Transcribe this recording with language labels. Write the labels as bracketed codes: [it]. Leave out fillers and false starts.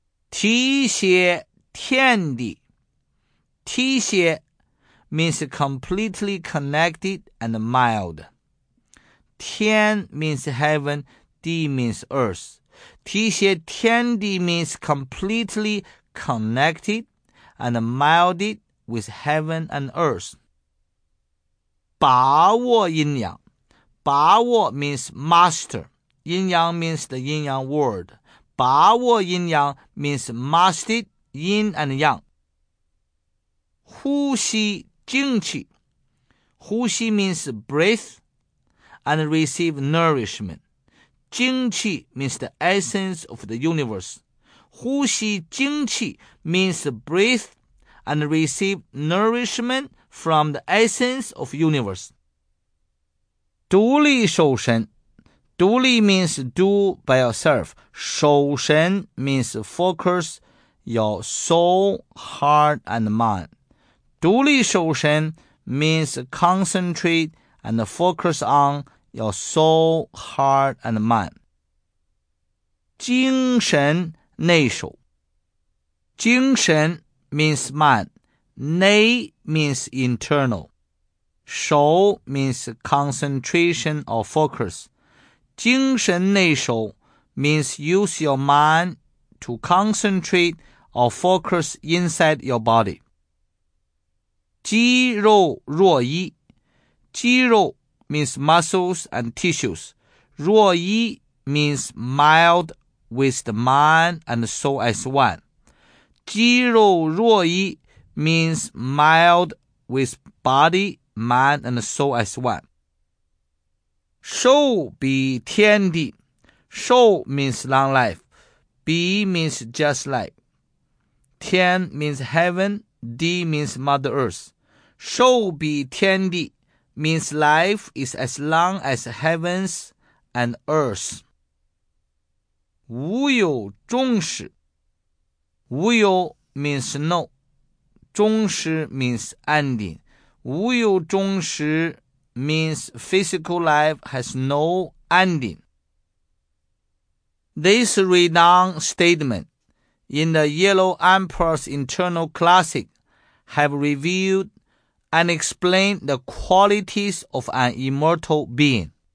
[zh] 提携天地 [en] 提携 means completely connected and mild. 天 means heaven, 地 means earth. [zh] 提携天地 [en] means completely connected and melded with heaven and earth. [zh] 把握阴阳 [en] 把握 means master. 阴阳 means the yin yang world. [zh] 把握阴阳 [en] means mastered yin and yang. [zh] 呼吸精气 [en] 呼吸 means breath and receive nourishment. 精气 means the essence of the universe. [zh] 呼吸精气 [en] means breath and receive nourishment from the essence of the universe. [zh] 独立守神 [en] 独立 means do by yourself. 守神 means focus your soul, heart, and mind. [zh] 独立守神 [en] means concentrate and focus on your soul, heart, and mind. [zh] 精神内守 [en] 精神 means mind. 内 means internal. 守 means concentration or focus. [zh] 精神内守 [en] means use your mind to concentrate or focus inside your body. [zh] 肌肉若一 [en] 肌肉 means muscles and tissues. 若一 means mild with the mind and soul as one. [zh] 肌肉若一 [en] means mild with body, mind and soul as one. [zh] 寿比天地 [en] 寿 means long life. 比 means just like. 天 means heaven. 地 means mother earth. [zh] 寿比天地 [en] means life is as long as heavens and earth. [zh] 无有终始 [en] 无有 means no. 终始 means ending. [zh] 无有终始 [en] means physical life has no ending. This renowned statement in the Yellow Emperor's internal classic have revealed and explained the qualities of an immortal being.